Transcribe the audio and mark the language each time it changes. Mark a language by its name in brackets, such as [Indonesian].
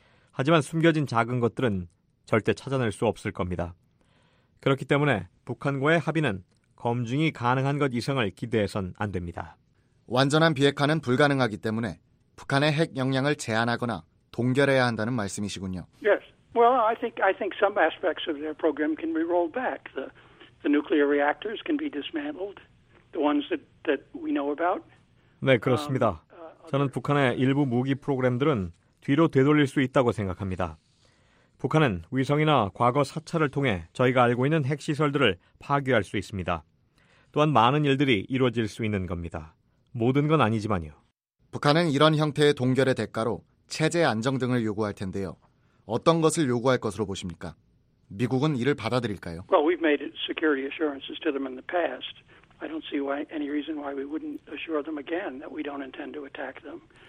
[Korean] 하지만 숨겨진 작은 것들은 절대 찾아낼 수 없을 겁니다. 그렇기 때문에 북한과의 합의는 검증이 가능한 것 이상을 기대해선 안 됩니다. 완전한 비핵화는 불가능하기 때문에 북한의 핵 역량을 제한하거나 동결해야 한다는 말씀이시군요. [English] Yes. Well, I think some aspects of their program can be rolled back. The nuclear reactors can be dismantled. The ones that we know about. [Korean] 네, 그렇습니다. 저는 북한의 일부 무기 프로그램들은 뒤로 되돌릴 수 있다고 생각합니다. 북한은 위성이나 과거 사찰을 통해 저희가 알고 있는 핵시설들을 파괴할 수 있습니다. 또한 많은 일들이 이루어질 수 있는 겁니다. 모든 건 아니지만요. 북한은 이런 형태의 동결의 대가로 체제 안정 등을 요구할 텐데요. 어떤 것을 요구할 것으로 보십니까? 미국은 이를 받아들일까요? [English] Well, we've made security assurances to them in the past. I don't see why any reason why we wouldn't assure them again that we don't intend to attack them.